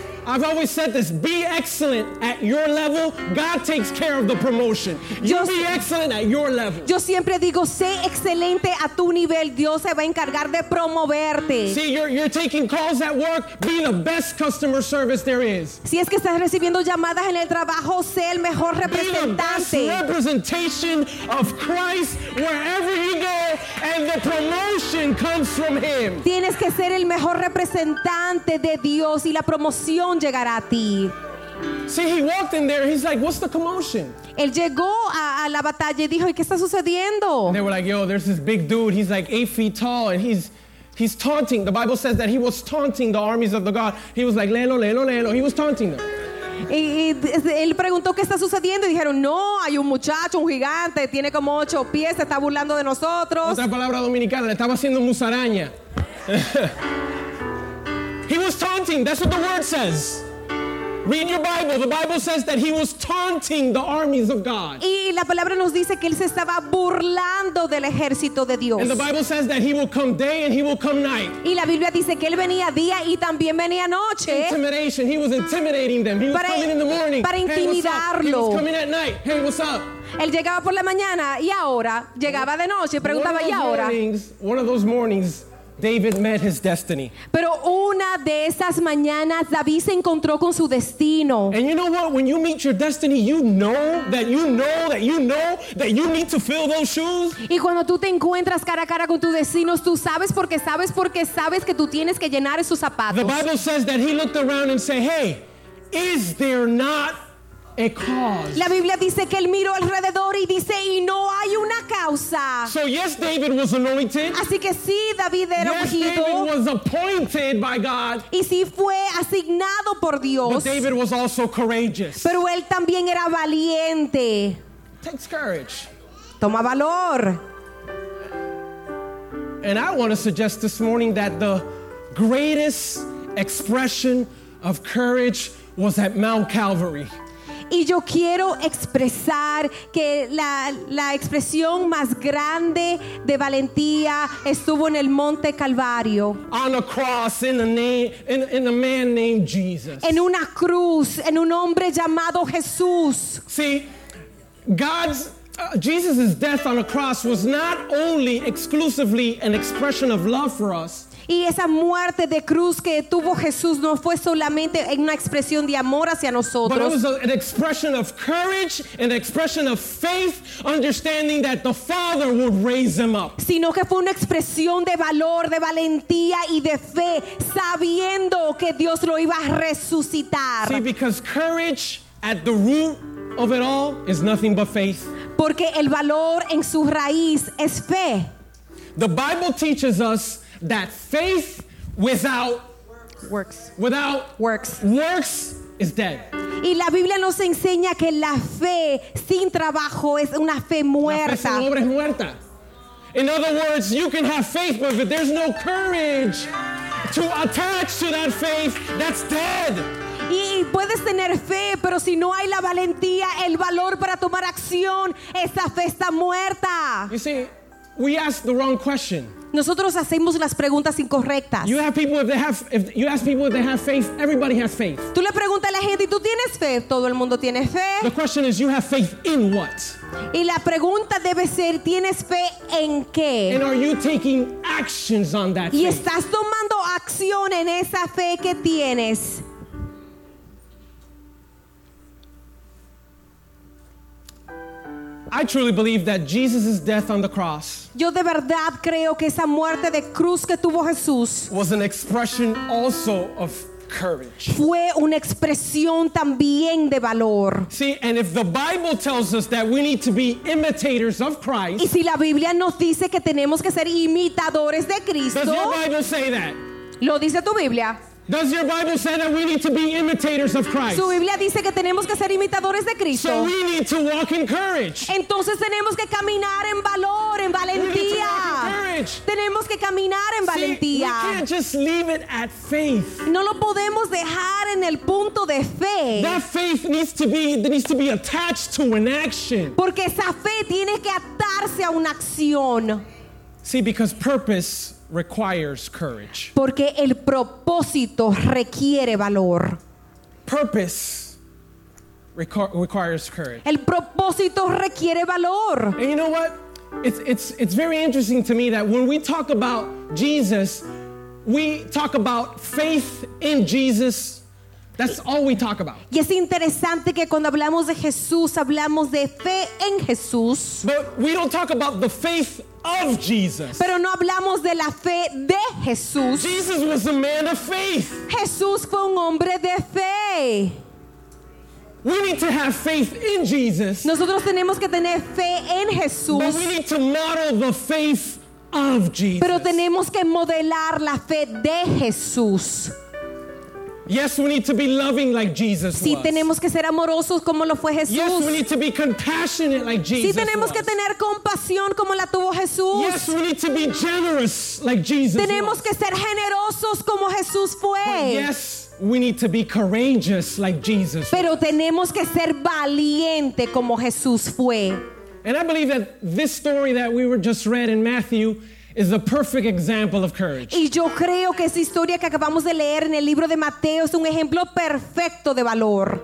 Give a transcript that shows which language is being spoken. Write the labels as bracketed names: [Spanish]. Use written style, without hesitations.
[English] I've always said this, be excellent at your level. God takes care of the promotion. Be excellent at your level. [Spanish] Yo siempre digo, sé excelente a tu nivel. Dios se va a encargar de promoverte. [English] See, you're taking calls at work, be the best customer service there is. [Spanish] Si es que estás recibiendo llamadas en el trabajo, sé el mejor representante. [English] Be the best representation of Christ wherever you go, and the promotion comes from him. [Spanish] Tienes que ser el mejor representante de Dios y la promoción llegará a ti. [English] See, he walked in there. He's like, what's the commotion? [Spanish] Él llegó a la batalla y dijo, ¿y qué está sucediendo? [English] And they were like, yo, there's this big dude. He's like 8 feet tall, and he's taunting. The Bible says that he was taunting the armies of the God. He was like, lelo, lelo, lelo. He was taunting them. [Spanish] Y él preguntó, ¿qué está sucediendo? Y dijeron, no, hay un muchacho, un gigante, tiene como 8 pies, se está burlando de nosotros. Otra palabra dominicana, le estaba haciendo musaraña. [English] He was taunting. That's what the word says. Read your Bible. The Bible says that he was taunting the armies of God. [Spanish] Y la palabra nos dice que él se estaba burlando del ejército de Dios. [English] And the Bible says that he will come day and he will come night. [Spanish] Y la Biblia dice que él venía día y también venía noche. [English] Intimidation. He was intimidating them. He was coming in the morning. [Spanish] Para intimidarlo. [English] Hey, he was coming at night. Hey, what's up? [Spanish] Él llegaba por la mañana y ahora llegaba de noche. Preguntaba, ¿y ahora? [English] One of those mornings, David met his destiny. [Spanish] Pero una de esas mañanas David se encontró con su destino. [English] And you know what? When you meet your destiny, you know that you know that you know that you need to fill those shoes. [Spanish] Y cuando tú te encuentras cara a cara con tu destino, tú sabes porque sabes porque sabes que tú tienes que llenar esos zapatos. [English] The Bible says that he looked around and said, "Hey, is there not a cause?" [Spanish] La Biblia dice que él miró alrededor y dice, "Y no hay una causa." [English] So yes, David was anointed. [Spanish] Así que sí, David era ungido. [English] Yes, David was appointed by God. [Spanish] Y sí fue asignado por Dios. [English] But David was also courageous. [Spanish] Pero él también era valiente. [English] Takes courage. [Spanish] Toma valor. [English] And I want to suggest this morning that the greatest expression of courage was at Mount Calvary. [Spanish] Y yo quiero expresar que la expresión más grande de valentía estuvo en el Monte Calvario. [English] On a cross in a man named Jesus. [Spanish] En una cruz, en un hombre llamado Jesús. [English] See, God's Jesus' death on a cross was not only exclusively an expression of love for us. [Spanish] Y esa muerte de cruz que tuvo Jesús no fue solamente una expresión de amor hacia nosotros. [English] But it was an expression of courage, an expression of faith, understanding that the Father would raise him up. [Spanish] Sino que fue una expresión de valor, de valentía y de fe, sabiendo que Dios lo iba a resucitar. [English] See, because courage at the root of it all is nothing but faith. [Spanish] Porque el valor en su raíz es fe. [English] The Bible teaches us that faith without works, without works, works is dead. [Spanish] Y la Biblia nos enseña que la fe sin trabajo es una fe muerta. La fe sin obra es muerta. [English] In other words, you can have faith, but if there's no courage to attach to that faith, that's dead. [Spanish] Y puedes tener fe, pero si no hay la valentía, el valor para tomar acción, esa fe está muerta. [English] You see, we ask the wrong question. [Spanish] Nosotros hacemos las preguntas incorrectas. [English] You have people if they have if you ask people if they have faith, everybody has faith. [Spanish] Tú le preguntas a la gente, ¿tú tienes fe? Todo el mundo tiene fe. [English] The question is, you have faith in what? [Spanish] Y la pregunta debe ser, ¿tienes fe en qué? [English] And are you taking actions on that faith? [Spanish] ¿Y estás tomando acción en esa fe que tienes? [English] I truly believe that Jesus' death on the cross. [Spanish] Yo de verdad creo que esa muerte de cruz que tuvo Jesús [English] was an expression also of courage. [Spanish] Fue una expresión también de valor. [English] See, and if the Bible tells us that we need to be imitators of Christ, [Spanish] y si la Biblia nos dice que tenemos que ser imitadores de Cristo, [English] does your Bible say that? [Spanish] Lo dice tu Biblia. [English] Does your Bible say that we need to be imitators of Christ? [Spanish] Su Biblia dice que tenemos que ser imitadores de Cristo. [English] So we need to walk in courage. [Spanish] Entonces tenemos que caminar en valor, en valentía. [English] We need to walk in courage. [Spanish] Tenemos que caminar en valentía. [English] See, we can't just leave it at faith. [Spanish] No lo podemos dejar en el punto de fe. [English] That faith needs to be attached to an action. [Spanish] Porque esa fe tiene que atarse a una acción. [English] See, because purpose requires courage. [Spanish] Porque el propósito requiere valor. [English] Purpose requires courage. [Spanish] El propósito requiere valor. [English] And you know what? It's very interesting to me that when we talk about Jesus, we talk about faith in Jesus. That's all we talk about. [Spanish] Y es interesante que cuando hablamos de Jesús, hablamos de fe en Jesús. [English] But we don't talk about the faith of Jesus. [Spanish] Pero no hablamos de la fe de Jesús. [English] Jesus was a man of faith. [Spanish] Jesús fue un hombre de fe. [English] We need to have faith in Jesus. [Spanish] Nosotros tenemos que tener fe en Jesús. [English] But we need to model the faith of Jesus. [Spanish] Pero tenemos que modelar la fe de Jesús. [English] Yes, we need to be loving like Jesus was. [Spanish] Sí, tenemos que ser amorosos como lo fue Jesús. [English] Yes, we need to be compassionate like Jesus was. [Spanish] Sí, tenemos que tener compasión como la tuvo Jesús. [English] Yes, we need to be generous like Jesus was. [Spanish] Tenemos que ser generosos como Jesús fue. [English] But yes, we need to be courageous like Jesus was. [Spanish] Pero tenemos que ser valiente como Jesús fue. [English] And I believe that this story that we were just read in Matthew is the perfect example of courage. [Spanish] Y yo creo que esa historia que acabamos de leer en el libro de Mateo es un ejemplo perfecto de valor.